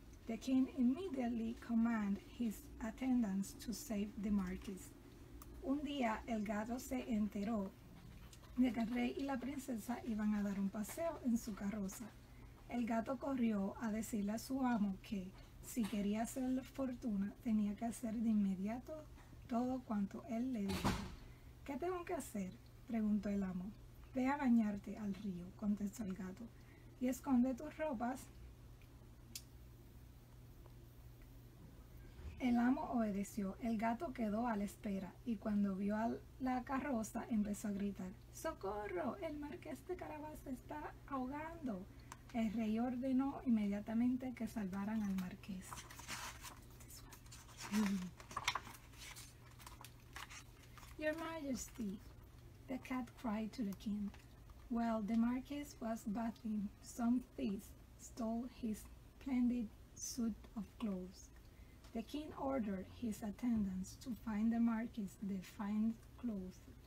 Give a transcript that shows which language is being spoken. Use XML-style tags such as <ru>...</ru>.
<en>The king immediately commanded his attendants to save the Marquis.</en> <es>Un día el gato se enteró de que el rey y la princesa iban a dar un paseo en su carroza. El gato corrió a decirle a su amo que si quería hacer fortuna tenía que hacer de inmediato todo cuanto él le dijo. ¿Qué tengo que hacer?, preguntó el amo. Ve a bañarte al río, contestó el gato, y esconde tus ropas. El amo obedeció. El gato quedó a la espera y cuando vio a la carroza empezó a gritar, ¡socorro! El marqués de Carabas está ahogando. El rey ordenó inmediatamente que salvaran al marqués.</es> <en>Your Majesty, the cat cried to the king. Well, the marqués was bathing, some thieves stole his splendid suit of clothes. The king ordered his attendants to find the marquis the fine clothes.</en>